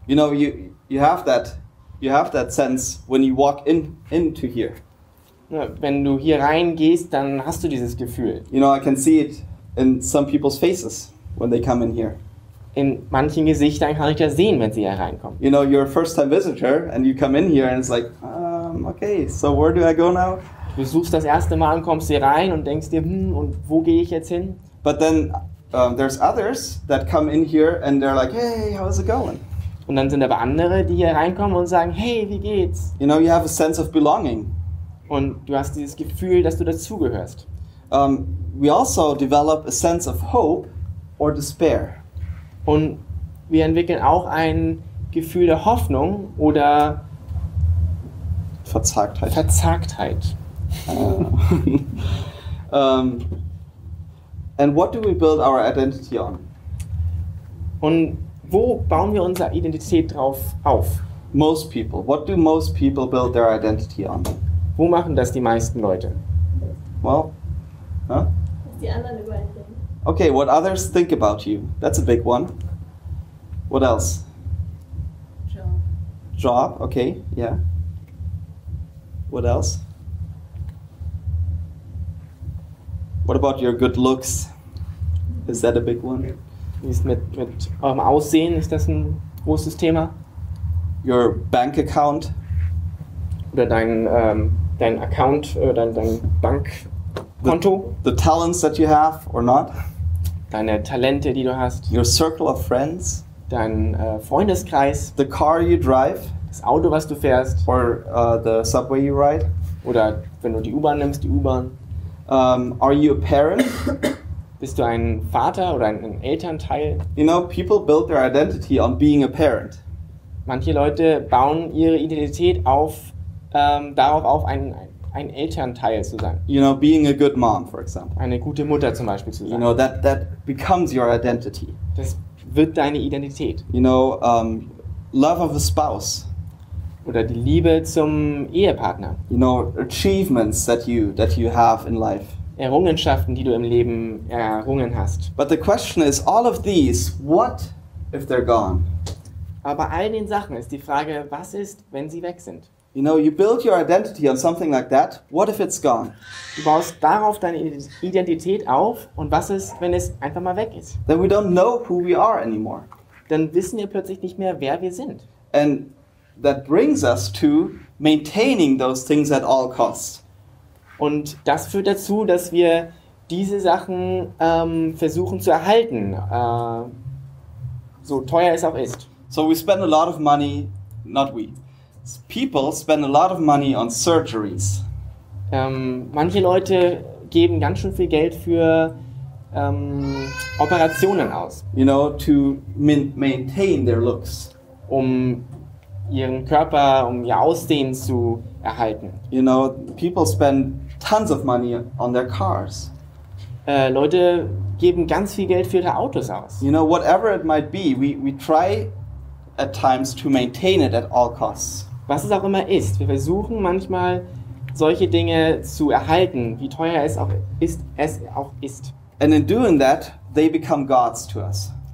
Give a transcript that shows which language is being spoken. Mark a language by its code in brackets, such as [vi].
[en] You know, you have that sense when you walk into here. [de] Wenn du hier reingehst, dann hast du dieses Gefühl. [en] You know, I can see it in some people's faces when they come in here. [de] In manchen Gesichtern kann ich das sehen, wenn sie hier reinkommen. [en] You know, you're a first-time visitor and you come in here and it's like, okay, so where do I go now? [de] Du besuchst das erste Mal und kommst hier rein und denkst dir, und wo gehe ich jetzt hin? [en] But then there's others that come in here and they're like, hey, how's it going? [de] Und dann sind aber andere, die hier reinkommen und sagen, hey, wie geht's? [en] You know, you have a sense of belonging. [de] Und du hast dieses Gefühl, dass du dazugehörst. [en] We also develop a sense of hope or despair. [de] Und wir entwickeln auch ein Gefühl der Hoffnung oder Verzagtheit. [en] And what do we build our identity on? [de] Und wo bauen wir unsere Identität drauf auf? [en] Most people. What do most people build their identity on? [de] Wo machen das die meisten Leute? [en] Well, [de] Was die anderen über einen denken. [en] Okay, what others think about you. That's a big one. What else? Job, okay, yeah. What else? What about your good looks? Is that a big one? [de] Ist mit eurem Aussehen, ist das ein großes Thema? [en] Your bank account? [de] Oder dein Account, dein Bankkonto? [en] The talents that you have or not? [de] Deine Talente, die du hast? [en] Your circle of friends? [de] Dein Freundeskreis, [en] the car you drive, [de] das Auto, was du fährst, [en] or the subway you ride, [de] oder wenn du die U-Bahn nimmst, die U-Bahn. [en] Are you a parent? [de] Bist du ein Vater oder ein Elternteil? [en] You know, people build their identity on being a parent. [de] Manche Leute bauen ihre Identität darauf auf, ein Elternteil zu sein. [en] You know, being a good mom, for example. [de] Eine gute Mutter zum Beispiel zu sein. [en] You know, that becomes your identity. [de] Das wird deine Identität. [en] You know, love of a spouse. [de] Oder die Liebe zum Ehepartner. [en] You know, achievements that you have in life. [de] Errungenschaften, die du im Leben errungen hast. [en] But the question is, all of these, what if they're gone? [de] Aber bei all den Sachen ist die Frage, was ist, wenn sie weg sind? [en] You know, you build your identity on something like that. What if it's gone? [de] Du baust darauf deine Identität auf und was ist, wenn es einfach mal weg ist? [en] Then we don't know who we are anymore. [de] Dann wissen wir plötzlich nicht mehr, wer wir sind. [en] And that brings us to maintaining those things at all costs. [de] Und das führt dazu, dass wir diese Sachen versuchen zu erhalten, so teuer es auch ist. [en] So we spend a lot of money, not we. People spend a lot of money on surgeries. [de] Manche Leute geben ganz schön viel Geld für Operationen aus. [en] You know, to maintain their looks. [de] Um ihren Körper, um ihr Aussehen zu erhalten. [en] You know, people spend tons of money on their cars. [de] Leute geben ganz viel Geld für ihre Autos aus. [en] You know, whatever it might be, we try at times to maintain it at all costs. [de] Was es auch immer ist, wir versuchen manchmal solche Dinge zu erhalten, wie teuer es auch ist, [en] And in doing that, they become gods to us.